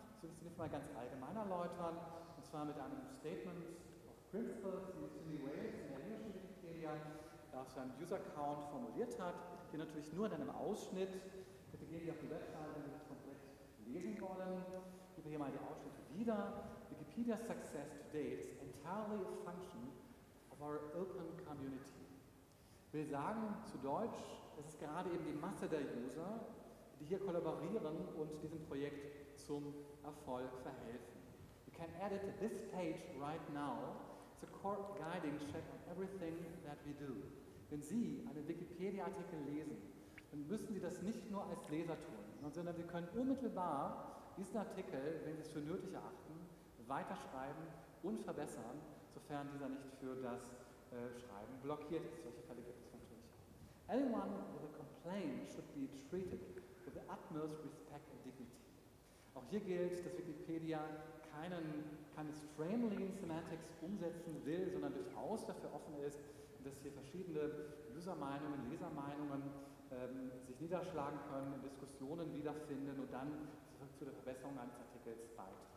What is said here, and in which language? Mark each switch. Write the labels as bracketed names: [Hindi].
[German] Das will ich zunächst mal ganz allgemein erläutern, und zwar mit einem Statement. Principles, die Cindy Wales in der englischen Wikipedia auf seinem User-Account formuliert hat, hier natürlich nur in einem Ausschnitt. Bitte gehen Sie auf die Webseite, wenn Sie das komplett lesen wollen. Ich gebe hier mal die Ausschnitte wieder. [English] Wikipedia's success today is entirely a function of our open community. [German] Ich will sagen, zu Deutsch, es ist gerade eben die Masse der User, die hier kollaborieren und diesem Projekt zum Erfolg verhelfen. [English] You can edit this page right now. It's a core guiding check on everything that we do. [German] Wenn Sie einen Wikipedia-Artikel lesen, dann müssen Sie das nicht nur als Leser tun, sondern Sie können unmittelbar diesen Artikel, wenn Sie es für nötig erachten, weiterschreiben und verbessern, sofern dieser nicht für das Schreiben blockiert ist. Solche Fälle gibt es natürlich auch. Anyone with a complaint should be treated [English] with the utmost respect and dignity. [German] Auch hier gilt, dass Wikipedia keine strain-lean Semantics umsetzen will, sondern durchaus dafür offen ist, dass hier verschiedene User-Meinungen, Leser-Meinungen sich niederschlagen können, in Diskussionen wiederfinden und dann zu der Verbesserung eines Artikels beitragen.